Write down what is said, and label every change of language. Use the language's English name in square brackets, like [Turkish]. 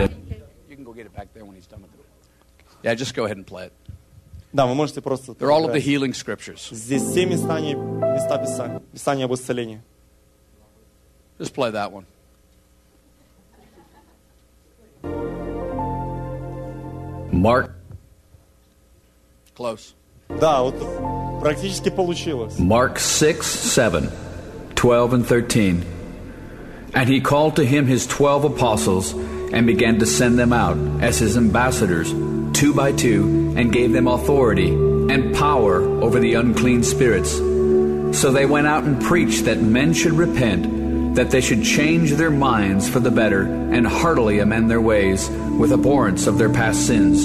[English] You can go get it back there when he's done with it. Yeah, just go ahead and play it. [Russian] Да, вы можете просто. [English] They're all of the healing scriptures. [Russian] Здесь все места Писания, Писания об исцелении. [English] Just play that one. Mark. Close. [Russian] Да, вот практически получилось. [English] Mark 6, 7, 12 and 13. And he called to him his 12 apostles and began to send them out as his ambassadors, two by two, and gave them authority and power over the unclean spirits. So they went out and preached that men should repent, that they should change their minds for the better and heartily amend their ways with abhorrence of their past sins.